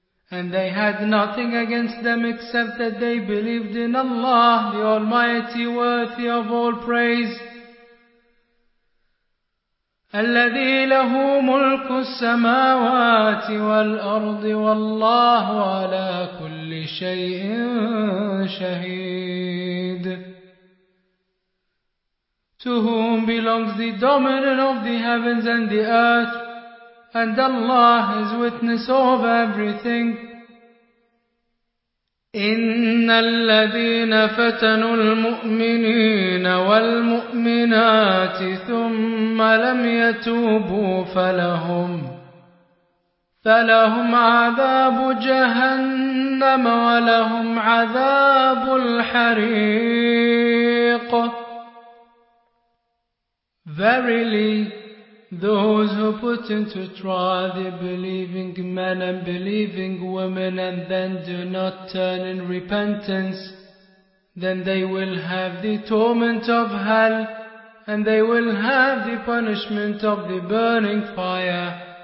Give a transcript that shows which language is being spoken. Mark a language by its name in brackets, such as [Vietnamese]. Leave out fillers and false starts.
[English] And they had nothing against them except that they believed in Allah, the Almighty, worthy of all praise. [Arabic] الذي له ملك السماوات والأرض والله على كل شيء شهيد. [English] To whom belongs the dominion of the heavens and the earth, and Allah is witness of everything. [Arabic] إن الذين فتنوا المؤمنين والمؤمنات ثم لم يتوبوا فلهم عذاب جهنم ولهم عذاب الحريق. [English] Verily, those who put into trial the believing men and believing women and then do not turn in repentance, then they will have the torment of hell and they will have the punishment of the burning fire.